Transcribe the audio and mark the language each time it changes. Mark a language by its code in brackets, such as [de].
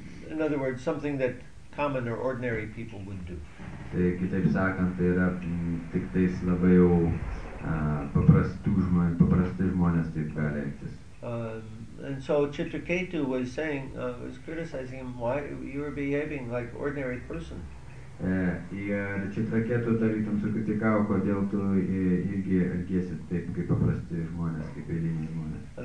[en] In other words, something that common or ordinary people would do. [lt] Tai kitaip sakant, tai yra tik tais labai jau paprasti žmonės taip gali elgtis. [en] And so Chitraketu was saying, was criticizing him, why you were behaving like ordinary person. [lt] Ir Chitraketu tarytum sukritikavo, kodėl tu irgi elgiesi taip kaip paprasti žmonės, kaip eiliniai žmonės.